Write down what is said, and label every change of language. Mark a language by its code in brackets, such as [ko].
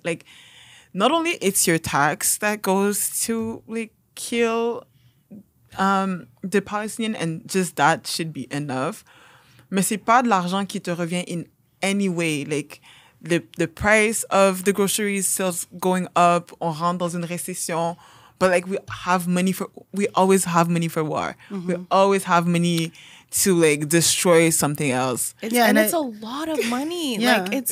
[en] Like, not only it's your tax that goes to, like, kill The Palestinian and just that should be enough. [fr] Mais c'est pas de l'argent qui te revient [en] in any way. Like, the price of the groceries still going up. [fr] On rentre dans une récession. [en] But, like, we always have money for war. Mm-hmm. We always have money to, like, destroy something else. It's a lot of money. Yeah. Like,